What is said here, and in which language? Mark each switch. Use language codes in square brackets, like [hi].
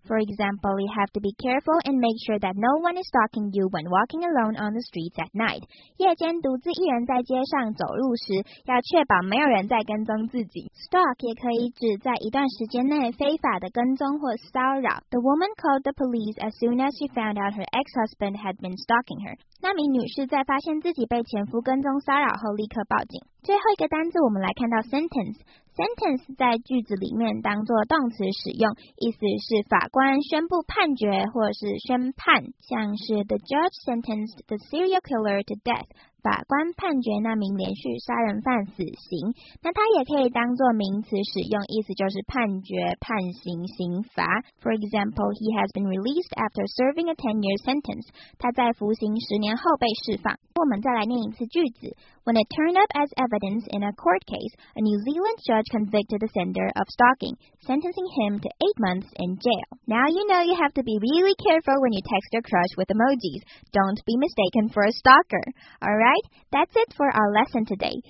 [en] For example, you have to be careful and make sure that no one is stalking you when walking alone on the streets at night. [zh] 夜间独自一人在街上走路时，要确保没有人在跟踪自己。 Stalk 也可以指在一段时间内非法的跟踪或骚扰。 [en] The woman called the police as soon as she found out her ex-husband had been stalking her. [zh] 那名女士在发现自己被前夫跟踪骚扰后立刻报警。最后一个单字我们来看到 sentence。Sentence 在句子里面当作动词使用，意思是法官宣布判决或是宣判，像是 [en] The judge sentenced the serial killer to death. [zh] 法官判决那名连续杀人犯死刑。那它也可以当作名词使用，意思就是判决、判刑、刑罚。 For example, he has been released after serving a 10-year sentence. 他在服刑十年后被释放。我们再来念一次句子。 [en] When it turned up as evidence in a court case, a New Zealand judge convicted the sender of stalking, sentencing him to 8 months in jail. Now you know you have to be really careful when you text your crush with emojis. Don't be mistaken for a stalker. Alright, that's it for our lesson today.